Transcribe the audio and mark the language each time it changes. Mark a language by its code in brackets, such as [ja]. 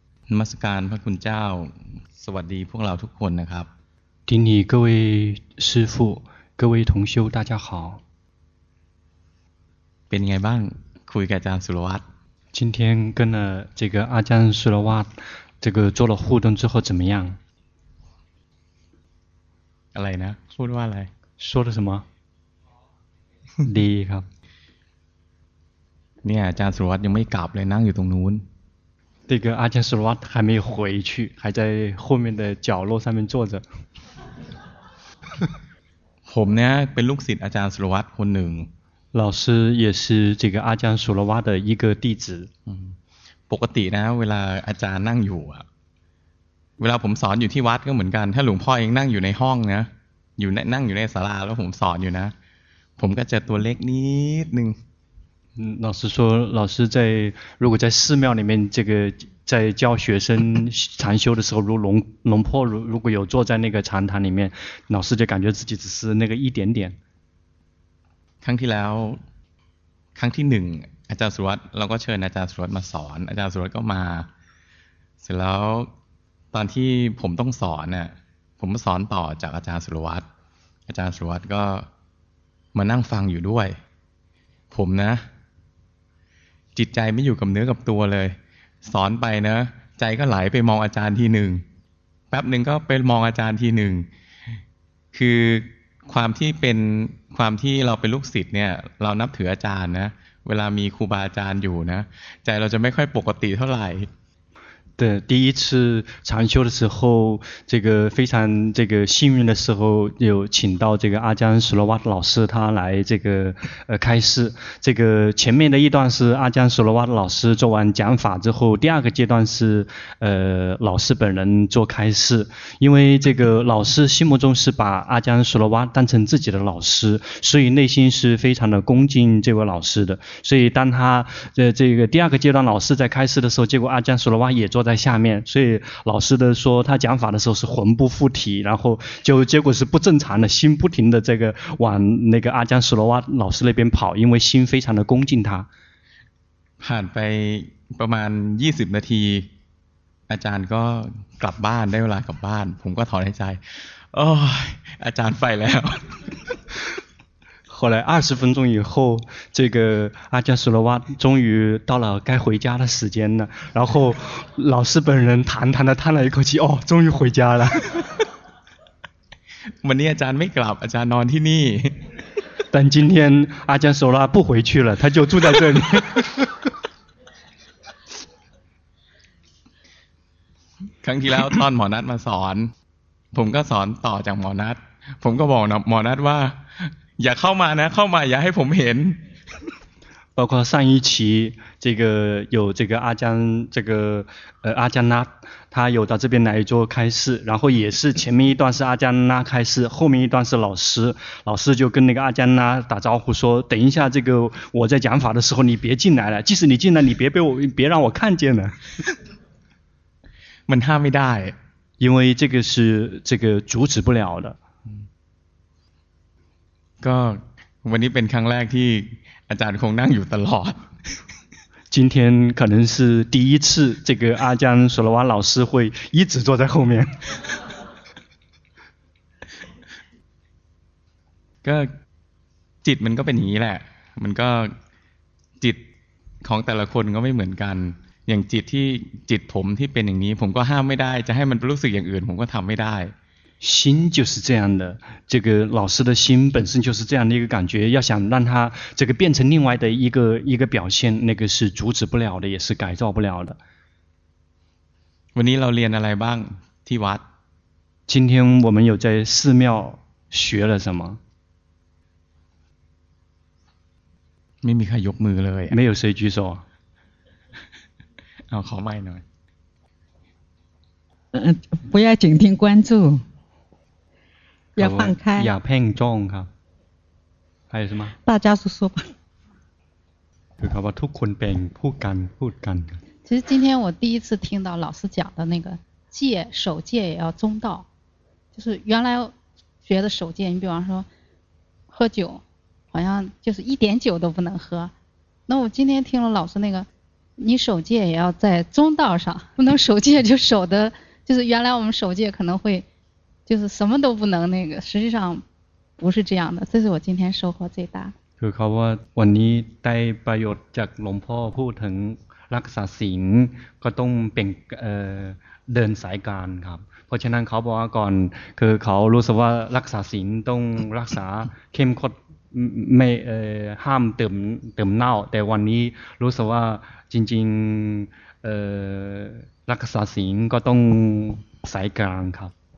[th] นมัสการพระคุณเจ้าสวัสดีพวกเราทุกคนนะครับ ที่นี่ [zh] 各位师父各位同修大家好 [th] เป็นไงบ้างคุยกับอาจารย์สุรวัตร [zh] 今天跟了这个阿江苏罗瓦这个做了互动之后怎么样 [th] อะไรนะพูดว่าอะไร [zh] 说了什么 [th] ดีครับ เนี่ยอาจารย์สุรวัตรยังไม่กลับเลยนั่งอยู่ตรงนู้น [zh] 这个阿江苏罗瓦还没回去还在后面的角落上面坐着 [th] ผมเนี่ยเป็นลูกศิษย์อาจารย์สุรวัตรคนหนึ่ง [zh] 老师也是这个阿江苏罗瓦的一个弟子 [th] ปกตินะเวลาอาจารย์นั่งอยู่อ่ะเวลาผมสอนอยู่ที่วัดก็เหมือนกันถ้าหลวงพ่อเองนั่งอยู่ในห้องนะอยู่ในนั่งอยู่ในศาลาแล้วผมสอนอยู่นะผมก็จะตัวเล็กนิดนึง [zh] 老师说老师在如果在寺庙里面这个在教学生禅修的时候如果 龙婆如果有坐在那个禅堂里面老师就感觉自己只是那个一点点 [th] ครั้งที่แล้วครั้งที่หนึ่งอาจารย์สุรัตน์เราก็เชิญอาจารย์สุรัตน์มาสอนอาจารย์สุรัตน์ก็มาเสร็จแล้วตอนที่ผมต้องสอนน่ะผมสอนต่อจากอาจารย์สุรวัตน์อาจารย์สุรวัตน์ก็มานั่งฟังอยู่ด้วยผมนะ จิตใจไม่อยู่กับเนื้อกับตัวเลยสอนไปนะใจก็ไหลไปมองอาจารย์ทีหนึ่งแป๊บหนึ่งก็ไปมองอาจารย์ทีหนึ่งคือความที่เป็นความที่เราเป็นลูกศิษย์เนี่ยเรานับถืออาจารย์นะเวลามีครูบาอาจารย์อยู่นะใจเราจะไม่ค่อยปกติเท่าไหร่ [zh] 的第一次禅修的时候，这个非常这个幸运的时候，有请到这个阿江苏罗瓦的老师，他来这个开示。这个前面的一段是阿江苏罗瓦的老师做完讲法之后，第二个阶段是老师本人做开示。因为这个老师心目中是把阿江苏罗瓦当成自己的老师，所以内心是非常的恭敬这位老师的。所以当他这个第二个阶段老师在开示的时候，结果阿江苏罗瓦也做。坐在下面，所以老师的说他讲法的时候是魂不附体，然后就结果是不正常的，心不停的这个往那个阿江苏罗瓦老师那边跑，因为心非常的恭敬他。 [th] ผ่านไปประมาณ20นาทีอาจารย์ก็กลับบ้านได้เวลากลับบ้านผมก็ถอนหายใจโอ้ยอาจารย์ไปแล้ว [zh] 后来20分钟以后这个阿江苏罗瓦终于到了该回家的时间了然后老师本人坦坦的叹了一口气哦终于回家了 [th] วันนี้อาจารย์ไม่กลับอาจารย์นอนที่นี่ [zh] 但今天阿江苏罗瓦不回去了他就住在这里 [th] ครั้งที่แล้วท่านหมอนัทมาสอนผมก็สอนต่อจากหมอนัทผมก็บอกหมอนัทว่าอย่าเข้ามานะเข้ามาอย่าให้ผมเห็น [zh] 包括上一期这个有这个阿江这个阿江拉他有到这边来做开示然后也是前面一段是阿江拉开示后面一段是老师老师就跟那个阿江拉打招呼说等一下这个我在讲法的时候你别进来了即使你进来你别被我别让我看见了 [th] มันห้ามไม่ได้ [zh] 因为这个是这个阻止不了的 [th] ก็วันนี้เป็นครั้งแรกที่อาจารย์คงนั่งอยู่ตลอด [zh] 今天可能是第一次这个阿江苏罗瓦老师会一直坐在后面 [th] ก็จิตมันก็เป็นอย่างนี้แหละมันก็จิตของแต่ละคนก็ไม่เหมือนกันอย่างจิตที่จิตผมที่เป็นอย่างนี้ผมก็ห้ามไม่ได้จะให้มันรู้สึกอย่างอื่นผมก็ทำไม่ได้ [zh] 心就是这样的这个老师的心本身就是这样的一个感觉要想让他这个变成另外的一个表现那个是阻止不了的也是改造不了的 [th] วันนี้เราเรียนอะไรบ้างที่วัด [zh] 今天我们有在寺庙学了什么 [th] ไม่มีใครยกมือเลย [zh] 没有谁举手 [th] เอาขอไมค์หน่อย [zh] 不要紧听关注要放开，要偏重哈。还有什么？大家说说吧。就是说， [th] ทุกคนเป็นผู้กัน ผู้กัน。 [zh] 其实今天我第一次听到老师讲的那个戒，守戒也要中道，就是原来学的守戒，你比方说喝酒，好像就是一点酒都不能喝。那我今天听了老师那个，你守戒也要在中道上，不能守戒就守的，就是原来我们守戒可能会，就是什么都不能那个，实际上不是这样的，这是我今天收获最大。 [th] คือเขาว่าวันนี้ได้ประโยชน์จากหลวงพ่อพูดถึงรักษาศีลก็ต้องเป็นเดินสายกลางครับเพราะฉะนั้นเขาบอกว่าก่อนคือเขารู้สึกว่ารักษาศีลต้องรักษาเข้มข้นไม่ห้ามเติมเน่าแต่วันนี้รู้สึกว่าจริงๆรักษาศีลก็ต้องสายกลางครับ